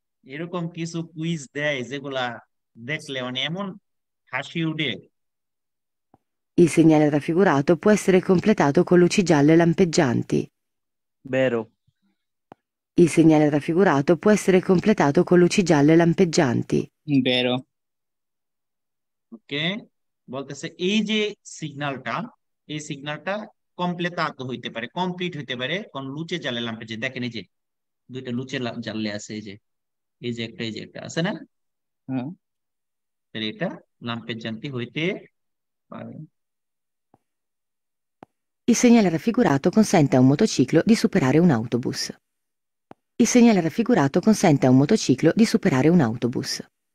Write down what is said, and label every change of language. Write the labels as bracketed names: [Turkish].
[Italian] Io con chi su quiz dei, se quella decle o nemon, hashi udi. Il segnale raffigurato può essere completato con luci gialle lampeggianti. Vero. Il segnale raffigurato può essere completato con luci gialle lampeggianti. Vero. Ok. [Bangla] বলতে এই যে সিগনালটা, এই সিগনালটা complete হইতে পারে, complete হইতে পারে কোন [Italian] লুচে জালে লাম্পে, [Bangla] যে দেখেন এই যে দুইটা লুচে জালে আছে, এই যে এই যে একটা, এই যে একটা আছে না, হ্যাঁ এটা লাম্পে জানতে হইতে পারে। [Italian] Il segnale raffigurato consente a un motociclo di superare un autobus. Il segnale raffigurato consente a un motociclo di superare un autobus.